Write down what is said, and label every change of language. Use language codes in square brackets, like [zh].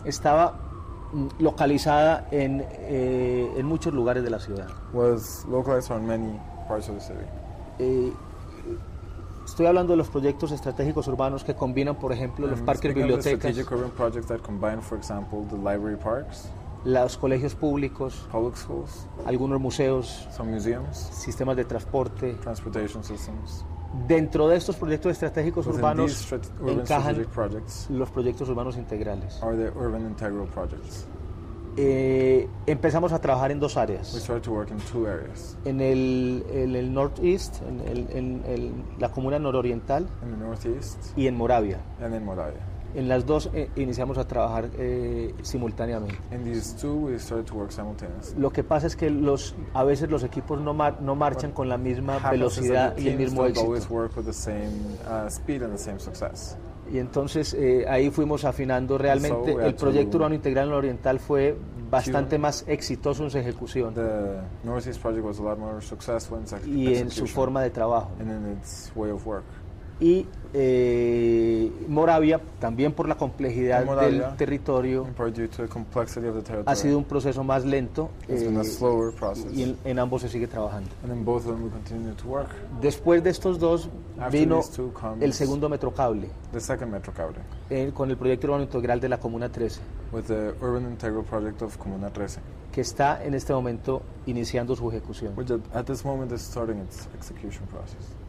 [es] Estaba localizada en muchos lugares de la ciudad. [en] Was localized on many parts of the city. [es] Estoy hablando de los proyectos estratégicos urbanos que combinan, por ejemplo, los parques, bibliotecas, [en] strategic urban projects that combine, for example, the library parks, [es] los colegios públicos, [en] public schools, [es] algunos museos, [en] some museums, [es] sistemas de transporte, [en] transportation systems. [es] Dentro de estos proyectos estratégicos urbanos encajan [en] projects, [es] los proyectos urbanos integrales. [en] Are there urban integral projects? [es] Empezamos a trabajar en dos áreas. [en] We started to work in two areas. [es] En el northeast, en la comuna nororiental, [en] in the northeast, [es] y en Moravia. [en] And in Moravia. [es] En las dos iniciamos a trabajar simultáneamente. [en] In these two, we started to work simultaneously. [es] Lo que pasa es que a veces los equipos no marchan [en] what [es] con la misma velocidad y el mismo éxito. [en] Always work with the same speed and the same success. [es] Y entonces ahí fuimos afinando realmente. [en] So [es] el proyecto urbano integral en el oriental fue bastante más exitoso en su ejecución. [en] The Northeast project was a lot more successful in [es] y en su forma de trabajo. [en] And in its way of work. [es] Y Moravia, también por la complejidad [en] Moravia, [es] del territorio, [en] due to the complexity of the territory, [es] ha sido un proceso más lento [en] been a slower process. [es] Y en ambos se sigue trabajando. [en] And in both of them we continue to work. [es] Después de estos dos, [en] after [es] vino [en] these two comes [es] el segundo metrocable, [en] the second metrocable, [es] con el proyecto urbano integral de la Comuna 13, [en] with the urban integral project of Comuna 13, [es] que está en este momento iniciando su ejecución. [en] Which at this moment is starting its execution process.